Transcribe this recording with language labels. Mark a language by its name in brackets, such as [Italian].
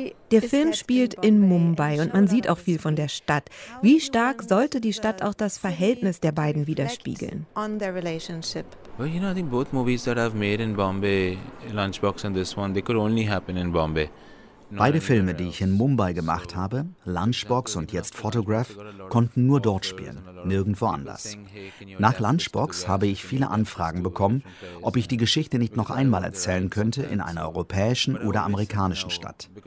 [German] Der Film spielt in Mumbai und man sieht auch viel von der Stadt. Wie stark sollte die Stadt auch das Verhältnis der beiden widerspiegeln? [English] Well, you know, I think both movies that I've made in Bombay, Lunchbox and this one, they could only happen in Bombay. [German] Beide Filme, die ich in Mumbai gemacht habe, Lunchbox und jetzt Photograph, konnten nur dort spielen, nirgendwo anders. Nach Lunchbox habe ich viele Anfragen bekommen, ob ich die Geschichte nicht noch einmal erzählen könnte in einer europäischen oder amerikanischen Stadt.